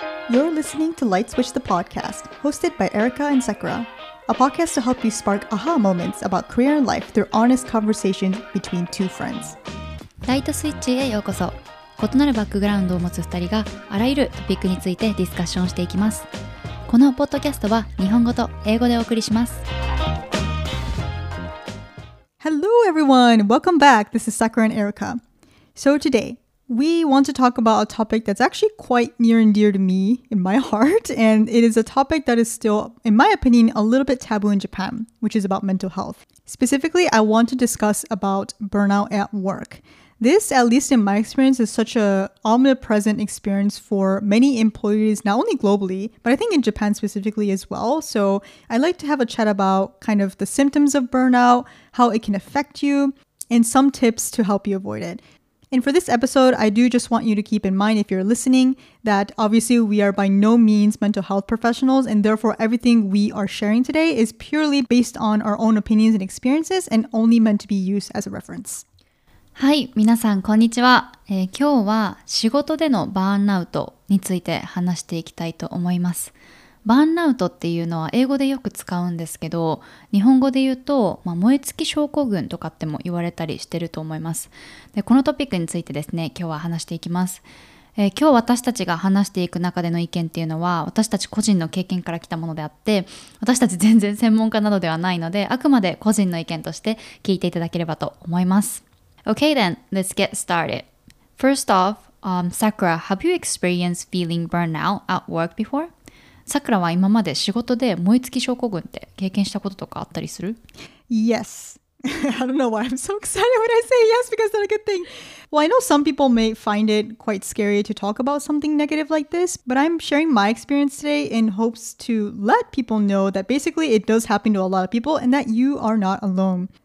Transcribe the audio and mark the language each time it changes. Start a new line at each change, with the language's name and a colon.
English: You're listening to Light Switch the Podcast, hosted by Erika and Sakura, a podcast to help you spark aha moments about career and life through honest conversations between two friends.
Japanese: Light Switch へようこそ。異なるバックグラウンドを持つ2人があらゆるトピックについてディスカッションしていきます。このポッドキャストは日本語と英語でお送りします。
English: Hello everyone! Welcome back! This is Sakura and Erika. So today, we want to talk about a topic that's actually quite near and dear to me in my heart, and it is a topic that is still, in my opinion, a little bit taboo in Japan, which is about mental health. Specifically, I want to discuss about burnout at work. This, at least in my experience, is such an omnipresent experience for many employees, not only globally, but I think in Japan specifically as well. So I'd like to have a chat about kind of the symptoms of burnout, how it can affect you, and some tips to help you avoid it. And for this episode, I do just want you to keep in mind, if you're listening, that obviously we are by no means mental health professionals, and therefore everything we are sharing today is purely based on our own opinions and experiences and only meant to be used as a reference.
Japanese: はい、皆さんこんにちは、今日は仕事でのバーンアウトについて話していきたいと思います。バーンアウトっていうのは英語でよく使うんですけど、日本語で言うと、燃え尽き症候群とかっても言われたりしてると思います。で、このトピックについてですね、今日は話していきます。今日私たちが話していく中での意見っていうのは、私たち個人の経験から来たものであって、私たち全然専門家などではないので、あくまで個人の意見として聞いていただければと思います。
English: Okay then, let's get started. First off, Sakura, have you experienced feeling burnout at work before?
Japanese: Sakura は今まで仕事で燃え尽き症候群って経験したこととかあったりする?
English: Yes. I don't know why I'm so excited when I say yes, because that's a good thing. Well, I know some people may find it quite scary to talk about something negative like this, but I'm sharing my experience today in hopes to let people know that basically it does happen to a lot of people and that you are not alone.